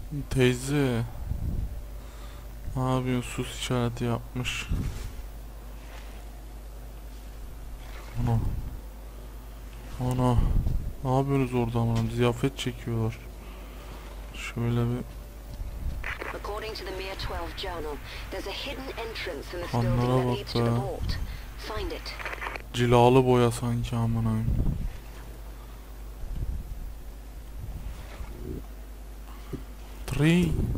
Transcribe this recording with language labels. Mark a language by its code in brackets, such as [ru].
[tr] Teyze. Abi sus işareti yapmış. Ana. Ana. Ne yapıyorsunuz orada ama? Ziyafet çekiyorlar. Şöyle bir. [en] According to the Mir 12 journal, there's a hidden entrance in this building that leads to the vault. Find it. [tr] Cilalı boya sanki amına. [en] Three.